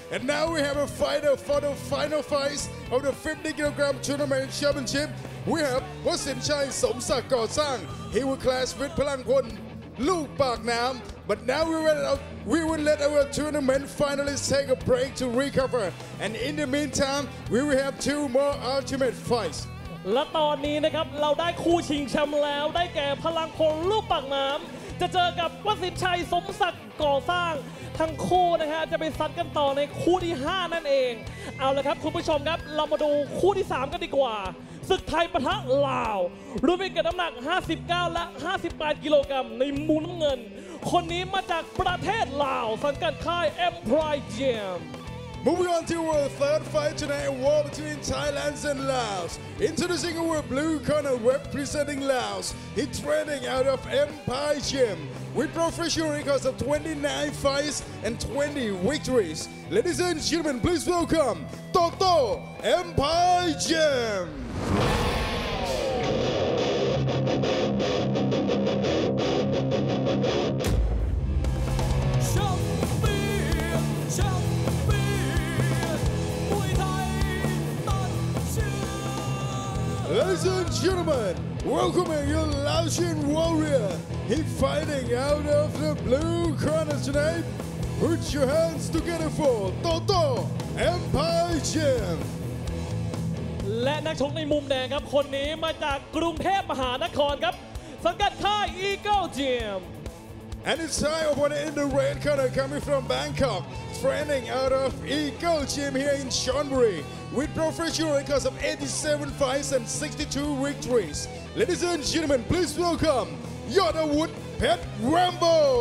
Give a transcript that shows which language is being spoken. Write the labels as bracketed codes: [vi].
[en] And now we have a fighter for the final fight of the 50 kilogram tournament championship. We have Wasim Chai Somsak Go Sang. He will clash with Phalang Khun Luk Pak Nam. But now we will let our tournament finalists take a break to recover. And in the meantime, we will have two more ultimate fights. [th] และตอนนี้นะครับเราได้คู่ชิงแชมป์แล้วได้แก่พลังคนลูกปากน้ำจะเจอกับวสินชัยสมศักดิ์ก่อสร้างทั้งคู่นะฮะจะไปซัดกันต่อในคู่ที่5นั่นเองเอาละครับคุณผู้ชมครับเรามาดูคู่ที่3กันดีกว่าศึกไทยปะทะลาวรุ่นพิกัดน้ำหนัก59และ58กิโลกรัมในมุมน้ำเงินคนนี้มาจากประเทศลาวสังกัดค่าย Empire Gym [en] Moving on to our third fight tonight, a war between Thailand and Laos. Introducing our blue corner representing Laos, he's training out of Empire Gym with professional records of 29 fights and 20 victories. Ladies and gentlemen, please welcome Toto Empire Gym. Ladies and gentlemen, welcoming your Laotian warrior. He's fighting out of the blue corner tonight. Put your hands together for Toto Empire Gym. [th] และนักชกในมุมแดงครับคนนี้มาจากกรุงเทพมหานครครับสังกัดค่าย Eagle Gym. [en] And it's Thai opponent in the red corner coming from Bangkok, training out of Eagle Gym here in Chonburi. With professional records of 87 fights and 62 victories. Ladies and gentlemen, please welcome Yodawood Pet Rambo.